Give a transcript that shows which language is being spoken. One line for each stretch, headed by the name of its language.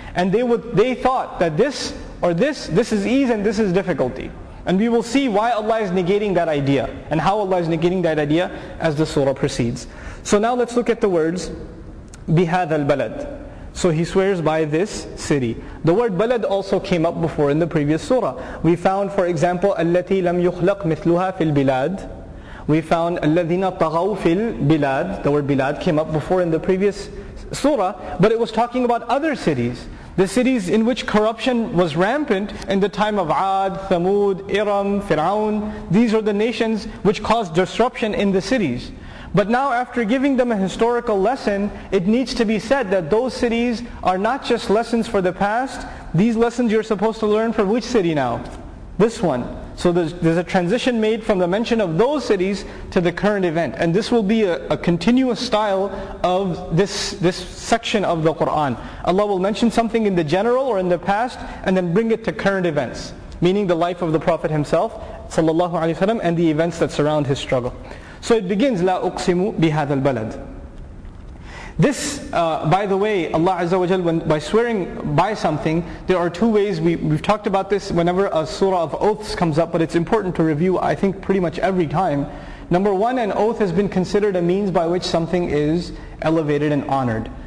English: And they thought that this is ease and this is difficulty. And we will see why Allah is negating that idea, and how Allah is negating that idea as the surah proceeds. So now let's look at the words,
Arabic: بِهَذَا الْبَلَدِ.
English: So he swears by this city. The word balad also came up before in the previous surah. We found, for example,
Arabic: أَلَّتِي لَمْ يُخْلَقْ مِثْلُهَا فِي الْبِلَادِ.
English: We found
Arabic: الَّذِينَ طَغَوْا فِي الْبِلَادِ.
English: The word bilad came up before in the previous surah, but it was talking about other cities. The cities in which corruption was rampant in the time of Ad, Thamud, Iram, Fir'aun. These are the nations which caused disruption in the cities. But now after giving them a historical lesson, it needs to be said that those cities are not just lessons for the past. These lessons you're supposed to learn from which city now? This one. So there's a transition made from the mention of those cities to the current event. And this will be a continuous style of this section of the Qur'an. Allah will mention something in the general or in the past, and then bring it to current events. Meaning the life of the Prophet himself, sallallahu alayhi wa sallam, and the events that surround his struggle. So it begins,
Arabic: لا أقسم بهذا البلد.
English: This, by the way, Allah Azza wa Jal, by swearing by something, there are two ways. We've talked about this whenever a surah of oaths comes up, but it's important to review, I think, pretty much every time. Number one, an oath has been considered a means by which something is elevated and honored.